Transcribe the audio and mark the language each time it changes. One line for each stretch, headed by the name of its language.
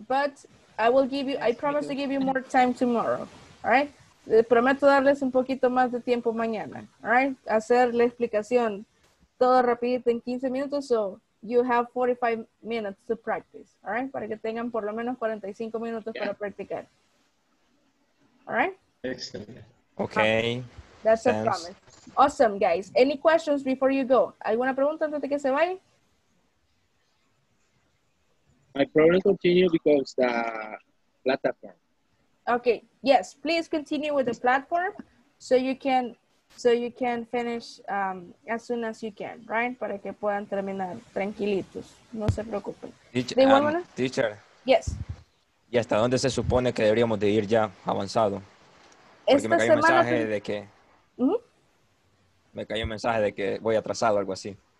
English: But I will give you, yes, I promise to give you more time tomorrow, all right?
Spanish: Prometo darles un poquito más de tiempo mañana,
English: all right?
Spanish: Hacer la explicación todo rapidito en 15 minutos,
English: so you have 45 minutes to practice, all right?
Spanish: Para que tengan por lo menos 45 minutos para practicar,
English: all right? Excellent. Okay. That's sense. A promise. Awesome, guys. Any questions before you go?
Spanish: ¿Alguna pregunta antes de que se vaya?
English: My problem continues because the platform. Okay, yes, please continue with the platform so you can finish as soon as you can, right?
Spanish: Para que puedan terminar tranquilitos, no se preocupen.
English: Teacher. Yes.
Spanish: ¿Y hasta dónde se supone que deberíamos de ir ya avanzado? Porque esta me cae un mensaje de que... Mm-hmm. me cayó un mensaje de que voy atrasado o algo así.